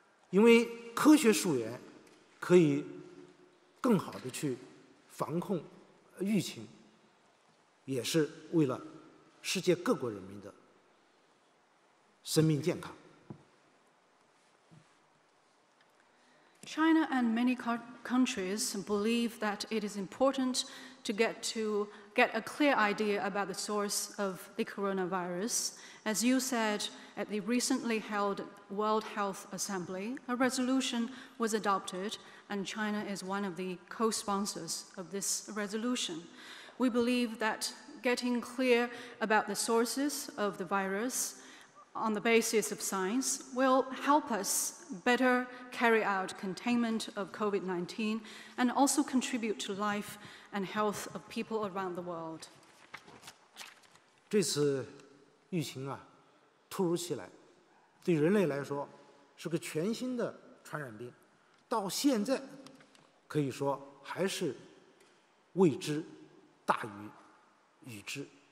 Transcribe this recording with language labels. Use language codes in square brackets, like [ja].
[zh] 因为科学溯源可以更好地去防控疫情，也是为了世界各国人民的生命健康。 [en] China and many countries believe that it is important to get a clear idea about the source of the coronavirus. As you said, at the recently held World Health Assembly, a resolution was adopted, and China is one of the co-sponsors of this resolution. We believe that getting clear about the sources of the virus on the basis of science will help us better carry out containment of COVID-19 and also contribute to life and health of people around the world. [zh] 这次疫情啊，突如其来，对人类来说是个全新的传染病，到现在可以说还是未知大于已知。